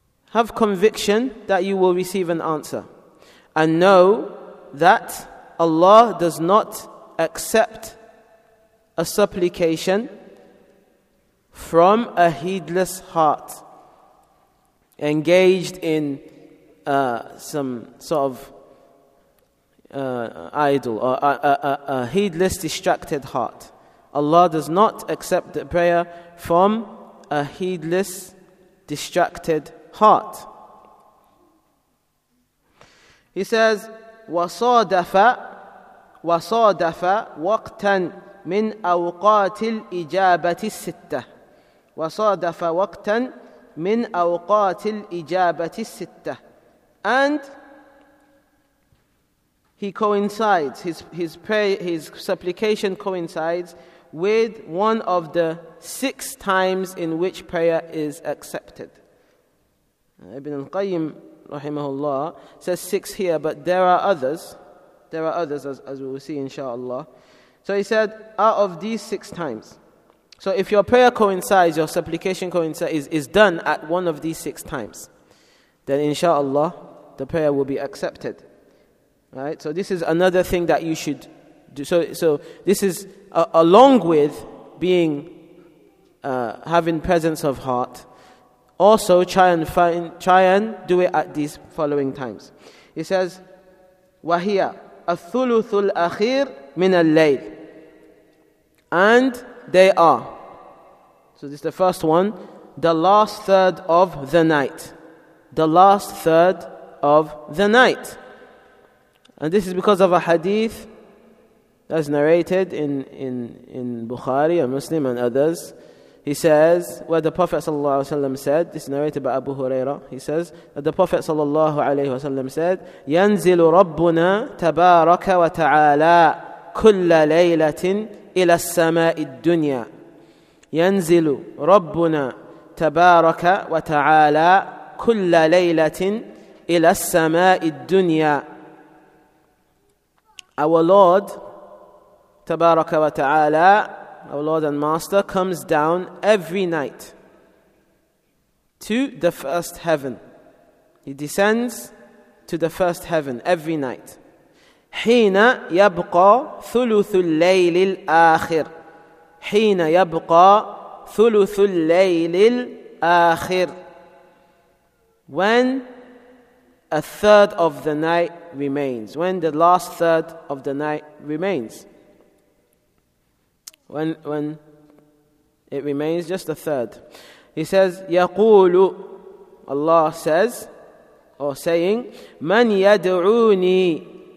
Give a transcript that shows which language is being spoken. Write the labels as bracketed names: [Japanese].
[English] Have conviction that you will receive an answer. And know that Allah does not accept a supplication from a heedless heart engaged in some sort of idol or a heedless, distracted heart. Allah does not accept the prayer from a heedless, distracted heart. He says, [Arabic] wa sadafa waqtan من أوقات الإجابة الستة وصادف وقتا من أوقات الإجابة الستة. [English] And he coincides, his prayer, his supplication coincides with one of the six times in which prayer is accepted. Ibn al-Qayyim rahimahullah says six here, but there are others as we will see inshallah. So he said, out of these six times. So if your prayer coincides, your supplication coincides, is done at one of these six times, then inshallah, the prayer will be accepted. Right? So this is another thing that you should do. So this is along with being having presence of heart. Also, try and do it at these following times. He says, [Arabic] وَهِيَ الثُّلُثُ الْأَخِيرُ مِنَ اللَّيْلِ. [English] And they are. So this is the first one. The last third of the night. The last third of the night. And this is because of a hadith that's narrated in Bukhari and Muslim and others. He says, where the Prophet sallallahu alayhi wa sallam said, this is narrated by Abu Hurairah, he says, that the Prophet sallallahu alayhi wa sallam said, [Arabic] يَنْزِلُ رَبُّنَا تَبَارَكَ وَتَعَالَى كُلَّ لَيْلَةٍ إلى السماء الدنيا ينزل ربنا تبارك وتعالى كل ليلة إلى السماء الدنيا. [English] Our Lord تبارك وتعالى, our Lord and Master, comes down every night to the first heaven. He descends to the first heaven every night. [Arabic] حين يبقى ثلث الليل الآخر. حين يبقى ثلث الليل الآخر. [English] When a third of the night remains. When the last third of the night remains. When it remains just a third. He says, يقول, Allah says, or saying, [Arabic] من يدعوني